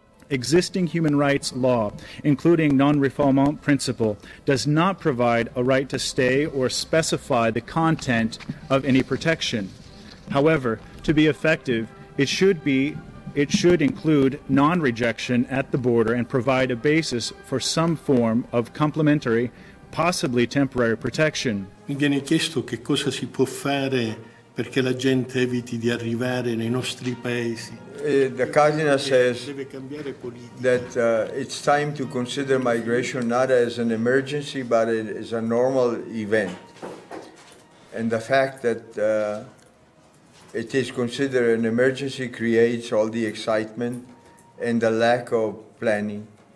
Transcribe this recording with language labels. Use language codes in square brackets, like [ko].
[en] Existing human rights law, including non-refoulement principle, does not provide a right to stay or specify the content of any protection. However, to be effective, it should include non-rejection at the border and provide a basis for some form of complementary, possibly temporary protection. [it] Mi viene chiesto che cosa si può fare perché la gente eviti di arrivare nei nostri paesi. [en] The cardinal says that it's time to consider migration not as an emergency, but as a normal event. And the fact that it is considered an emergency creates all the excitement and the lack of planning.